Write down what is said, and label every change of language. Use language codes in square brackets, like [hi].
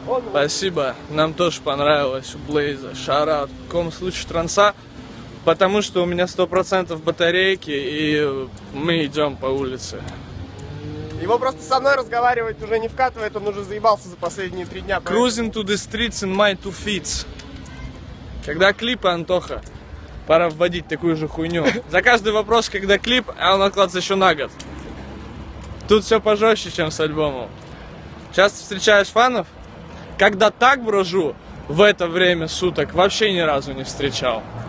[ru] Спасибо, нам тоже понравилось у Блейза. Шарат. В каком случае транса? Потому что у меня 100% батарейки, и мы идем по улице. Его просто со мной разговаривать уже не вкатывает, он уже заебался за последние 3 дня. [en] Cruising to the streets in my 2 feet. [ru] Когда клипы, Антоха? Пора вводить такую же хуйню. За каждый вопрос, когда клип, а он откладывается еще на год. Тут все пожестче, чем с альбомом. Часто встречаешь фанов? Когда так брожу в это время суток, вообще ни разу не встречал.